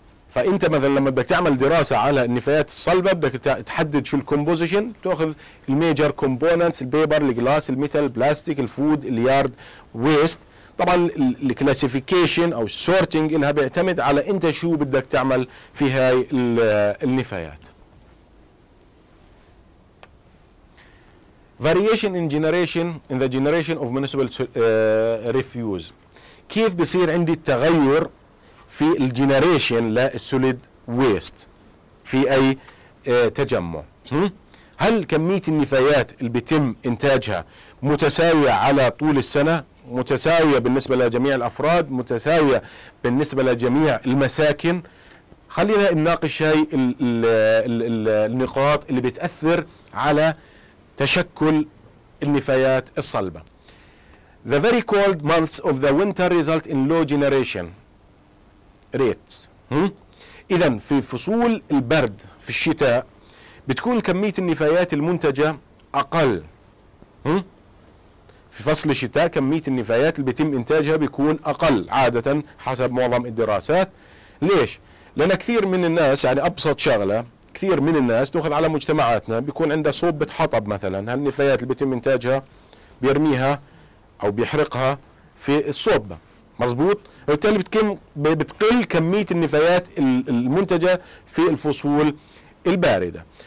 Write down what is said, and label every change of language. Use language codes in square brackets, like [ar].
[ar] فأنت مثلا لما بدك تعمل دراسة على النفايات الصلبة بدك تحدد شو الكومبوزيشن, تأخذ الميجر كومبوننتس البيبر الجلاس الميتال بلاستيك الفود اليارد ويست. طبعا الكلاسيفيكيشن أو السورتينج إنها بيعتمد على أنت شو بدك تعمل في هاي النفايات. [en] Variation in generation in the generation of municipal refuse. [ar] كيف بصير عندي التغير في الجينيريشن للسوليد ويست في أي تجمع؟ هل كمية النفايات اللي بتم إنتاجها متساوية على طول السنة؟ متساوية بالنسبة لجميع الأفراد؟ متساوية بالنسبة لجميع المساكن؟ خلينا نناقش هاي النقاط اللي بتأثر على تشكل النفايات الصلبة. [en] The very cold months of the winter result in low generation rates. [ar] إذا في فصول البرد في الشتاء بتكون كمية النفايات المنتجة أقل. في فصل الشتاء كمية النفايات اللي بيتم إنتاجها بيكون أقل عادة حسب معظم الدراسات. ليش؟ لأن كثير من الناس يعني أبسط شغلة كثير من الناس نأخذ على مجتمعاتنا بيكون عنده صوبة حطب مثلا, هالنفايات اللي بيتم إنتاجها بيرميها أو بيحرقها في الصوبة مزبوط, وبالتالي بتقل كمية النفايات المنتجة في الفصول الباردة.